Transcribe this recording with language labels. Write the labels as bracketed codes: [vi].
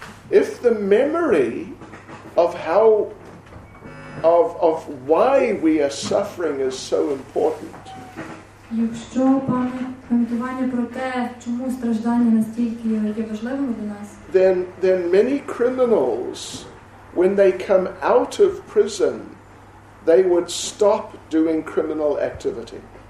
[en] If the memory of how, of why we are suffering is so important. [uk] Якщо пам'ятування про те, чому страждання настільки є важливим для нас. [en] Then many criminals, when they come out of prison, they would stop doing criminal activity.